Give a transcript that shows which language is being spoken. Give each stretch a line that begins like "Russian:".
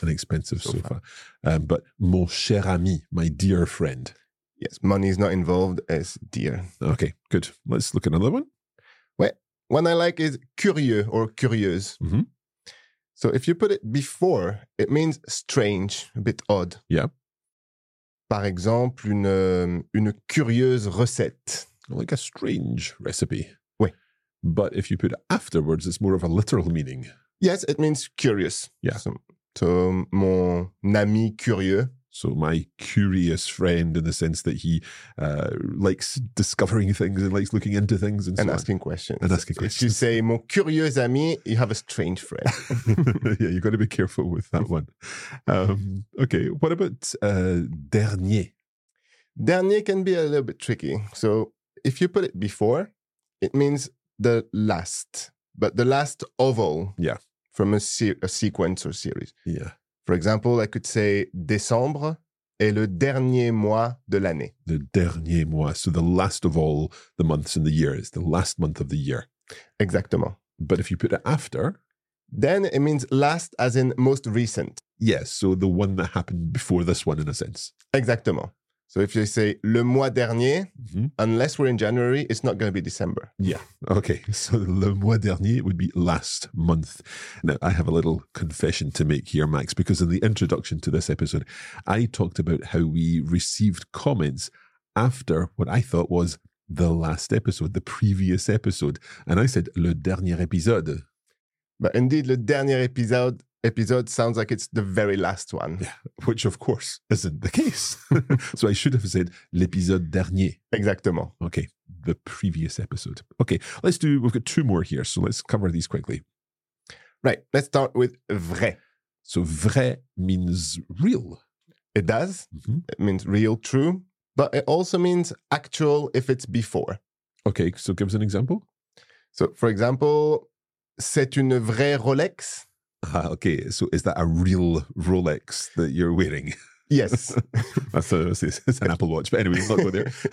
English: An expensive sofa. But
French: mon cher ami,
English: my dear friend. Yes. Money is not involved as dear. Okay. Good. Let's look at another one. Wait. One I like is curieux or curieuse. Mm-hmm. So if you put it before, it means strange, a bit odd. Yeah.
French: Par exemple, une curieuse recette.
English: Like a strange recipe.
French: Oui.
English: But if you put it afterwards, it's more of a literal meaning. Yes, it means curious. Yeah. So
French: to mon ami curieux.
English: So my curious friend, in the sense that he likes discovering things and likes looking into things and so asking on. Questions. And asking questions. If you say mon curieux ami, you have a strange friend. Yeah, you've got to be careful with that one. Okay, what about dernier? Dernier can be a little bit tricky. So if you put it before, it means the last, but the last oval. Yeah. From a sequence or series. Yeah. For example, I could say
French: décembre est le dernier mois de l'année. Le dernier mois.
English: So the last of all the months in the year is the last month of the year.
French: Exactement.
English: But if you put it after, then it means last as in most recent. Yes. So the one that happened before this one, in a sense.
French: Exactement.
English: So if you say
French: le mois dernier,
English: mm-hmm. unless we're in January, it's not going to be December. Yeah. Okay. So
French: le mois dernier
English: would be last month. Now, I have a little confession to make here, Max, because in the introduction to this episode, I talked about how we received comments after what I thought was the last episode, the previous episode. And I said
French: le dernier épisode. But indeed, le dernier épisode.
English: Episode sounds like it's the very last one. Yeah, which of course isn't the case. So I should have said
French: l'épisode dernier. Exactement.
English: Okay, the previous episode. Okay, we've got two more here, so let's cover these quickly. Right, let's start with vrai. So vrai means real. It does. Mm-hmm. It means real, true, but it also means actual if it's before. Okay, so give us an example. So for example,
French: c'est une vraie Rolex.
English: Okay, so is that a real Rolex that you're wearing? Yes. it's an Apple Watch, but anyway, we'll not go there.